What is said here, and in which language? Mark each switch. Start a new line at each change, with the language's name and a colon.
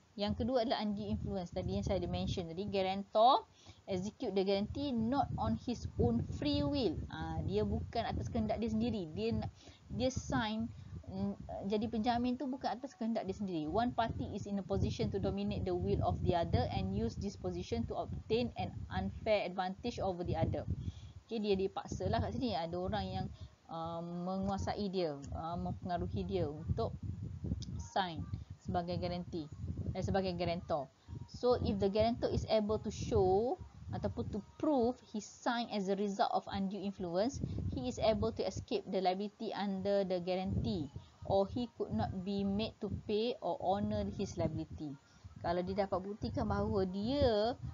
Malay: Yang kedua adalah undue influence. Tadi yang saya ada mention tadi,
English: guarantor execute the guarantee not on his own free will.
Malay: Dia bukan atas kehendak dia sendiri. Dia sign jadi penjamin tu bukan atas kehendak dia sendiri.
English: One party is in a position to dominate the will of the other and use this position to obtain an unfair advantage over the other.
Malay: Okay, dia dipaksa lah kat sini. Ada orang yang menguasai dia, mempengaruhi dia untuk sign sebagai guarantee. Sebagai guarantor.
English: So, if the guarantor is able to show ataupun to prove he signed as a result of undue influence, he is able to escape the liability under the guarantee or he could not be made to pay or honor his liability.
Malay: Kalau dia dapat buktikan bahawa dia